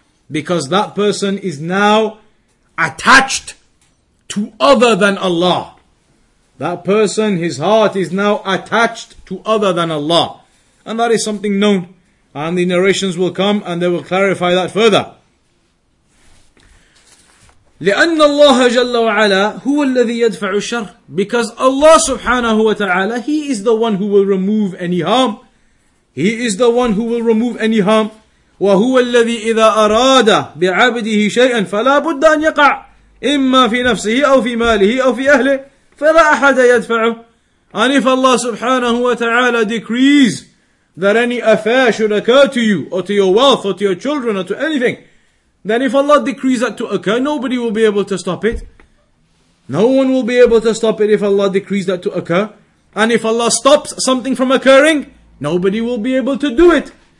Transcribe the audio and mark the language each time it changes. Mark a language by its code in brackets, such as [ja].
[en] Because that person is now attached to other than Allah. That person, his heart is now attached to other than Allah. And that is something known. And the narrations will come and they will clarify that further. [ar] لأن الله جل وعلا هو الذي يدفع الشر. [en] Because Allah subhanahu wa ta'ala, He is the one who will remove any harm. He is the one who will remove any harm. [ar] وهو الذي إذا أراد بعبده شيئا فلا بد أن يقع إما في نفسه أو في ماله أو في أهله فلا أحد يدفعه. [en] And if Allah subhanahu wa ta'ala decrees that any affair should occur to you or to your wealth or to your children or to anything, then if Allah decrees that to occur, nobody will be able to stop it. No one will be able to stop it if Allah decrees that to occur. And if Allah stops something from occurring, nobody will be able to do it.